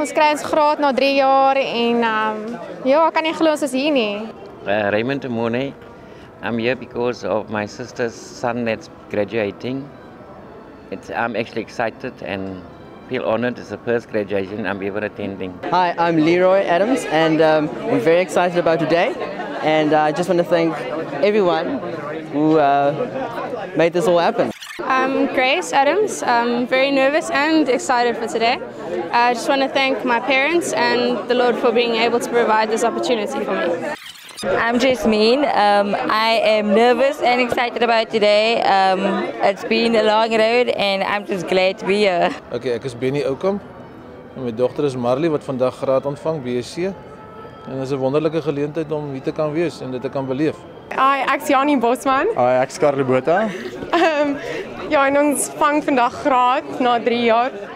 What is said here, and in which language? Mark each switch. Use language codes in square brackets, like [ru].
[af] Ons kry ons graad na 3 jaar en ek kan nie glo ons is hier nie. [en] Raymond Mone, I'm here because of my sister's son that's graduating. I'm actually excited and feel honored. It's the first graduation I'm ever attending. Hi, I'm Leroy Adams and I'm very excited about today. And I just want to thank everyone who made this all happen. I'm Grace Adams. I'm very nervous and excited for today. I just want to thank my parents and the Lord for being able to provide this opportunity for me. I'm Jasmine. I am nervous and excited about today. It's been a long road and I'm just glad to be here. [af] Okay, ek is Benny Oukamp. My dogter is Marley, wat vandag graad ontvang BSc. En is 'n wonderlike geleentheid om hier te kan wees en dit te kan beleef. Hi, ek's Janie Bosman. Hi, ek's Carly Botha. Ja, en ons vang vandag graad na 3 jaar.